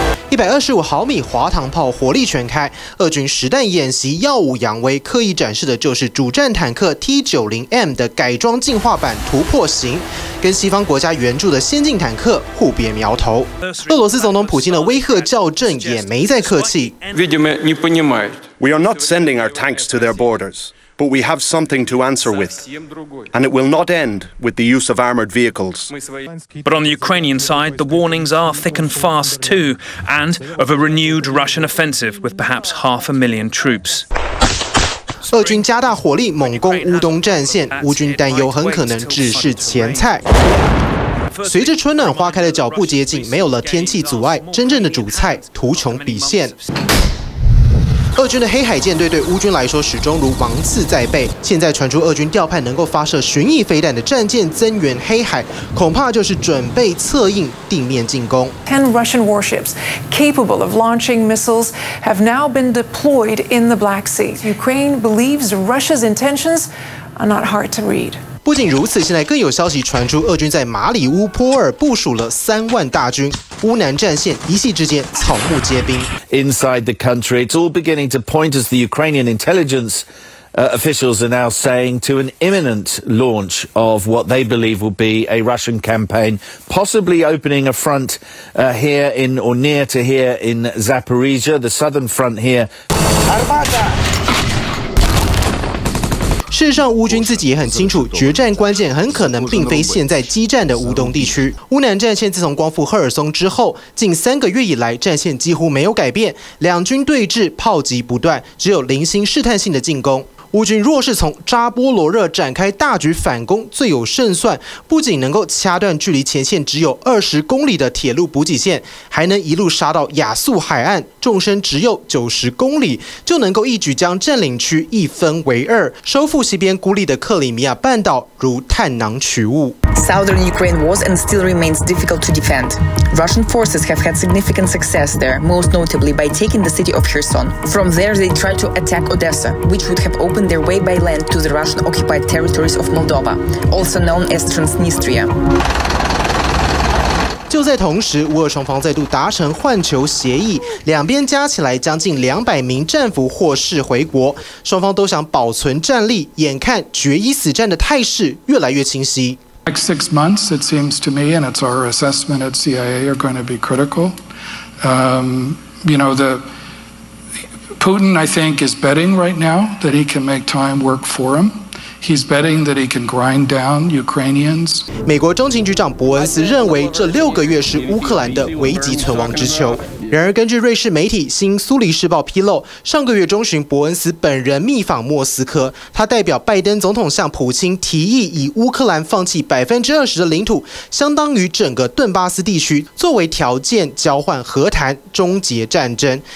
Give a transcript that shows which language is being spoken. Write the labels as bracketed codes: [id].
[zh] 125毫米滑膛炮火力全开，俄军实弹演习耀武扬威，刻意展示的就是主战坦克 T90M 的改装进化版突破型，跟西方国家援助的先进坦克互别苗头。俄罗斯总统普京的威吓校正也没再客气。 [en] We are not sending our tanks to their borders, but we have something to answer with, and it will not end with the use of armored vehicles. But on the Ukrainian side, the warnings are thick and fast too, and of a renewed Russian offensive with perhaps 500,000 troops. [zh] 俄军加大火力猛攻乌东战线，乌军担忧很可能只是前菜。随着春暖花开的脚步接近，没有了天气阻碍，真正的主菜图穷匕现。俄军的黑海舰队对乌军来说始终如芒刺在背，现在传出俄军调派能够发射巡弋飞弹的战舰增援黑海，恐怕就是准备策应地面进攻。 [en] 10 Russian warships capable of launching missiles have now been deployed in the Black Sea. Ukraine believes Russia's intentions are not hard to read. [zh] 不仅如此，现在更有消息传出，俄军在马里乌波尔部署了3万大军，乌南战线一夕之间草木皆兵。 [en] Inside the country, it's all beginning to point as the Ukrainian intelligence officials are now saying to an imminent launch of what they believe will be a Russian campaign, possibly opening a front here in or near to here in Zaporizhia, the southern front here. Armada. [zh] 事实上，乌军自己也很清楚，决战关键很可能并非现在激战的乌东地区。乌南战线自从光复赫尔松之后，近三个月以来战线几乎没有改变，两军对峙，炮击不断，只有零星试探性的进攻。乌军若是从扎波罗热展开大举反攻，最有胜算，不仅能够掐断距离前线只有20公里的铁路补给线，还能一路杀到亚速海岸，纵深只有90公里，就能够一举将占领区一分为二，收复西边孤立的克里米亚半岛如探囊取物。 [en] Southern Ukraine was and still remains difficult to defend. Russian forces have had significant success there, most notably by taking the city of Kherson. From there, they tried to attack Odessa, which would have opened their way by land to the Russian-occupied territories of Moldova, also known as Transnistria. [zh] 就在同时，乌俄双方再度达成换囚协议，两边加起来将近200名战俘获释回国，双方都想保存战力，眼看决一死战的态势越来越清晰。 [en] Next 6 months, it seems to me, and it's our assessment at CIA, are going to be critical. Putin, I think, is betting right now that he can make time work for him. He's betting that he can grind down Ukrainians. [zh] 美国中情局长伯恩斯认为，这六个月是乌克兰的危急存亡之秋。然而，根据瑞士媒体《新苏黎世报》披露，上个月中旬，伯恩斯本人密访莫斯科，他代表拜登总统向普京提议，以乌克兰放弃20%的领土，相当于整个顿巴斯地区，作为条件交换和谈，终结战争。